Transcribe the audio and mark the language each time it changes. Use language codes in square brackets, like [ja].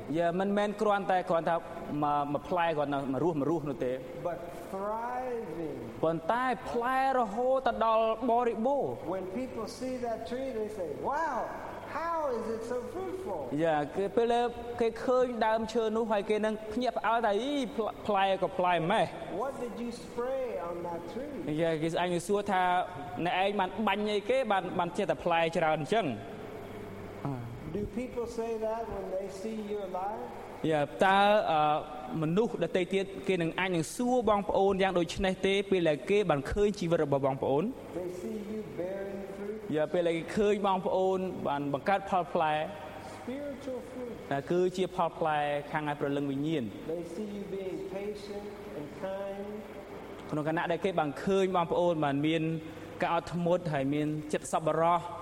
[km] យ៉ាមិនមែនគ្រាន់តែមកផ្លែគាត់នោះមករស់នោះទេ [en] but thriving [km] ប៉ុន្តែផ្លែរហូតទៅដល់បរិបូរ [en] when people see that tree they say wow how is it so fruitful [km] យ៉ាគេពេលគេឃើញដើមឈើនោះហើយគេនឹងភ្ញាក់ផ្អើលថាអីផ្លែក៏ផ្លែម៉េះ [en] what did you spray on that tree [km] យ៉ាគេស្អាញ់នឹងសួរថាអ្នកឯងបានបាញ់អីគេបានចេះតែផ្លែច្រើនអញ្ចឹង [en] Do people say that when they see you alive? [km] Yeah, តើមនុស្សដទៃទៀតគេនឹងអាចនឹងសួរបងប្អូនយ៉ាងដូចនេះទេពេលដែលគេបានឃើញជីវិតរបស់បងប្អូន? [en] They see you bearing fruit? [km] Yeah, ពេលដែលគេឃើញបងប្អូនបានបង្កើតផលផ្លែ [en] Spiritual fruit? [km] តើគឺជាផលផ្លែខាងឯព្រលឹងវិញ្ញាណ [en] They see you being patient and kind? [km] ក្នុងករណីដែលគេបានឃើញបងប្អូនបានមានការអត់ធ្មត់ហើយមានចិត្តសប្បុរស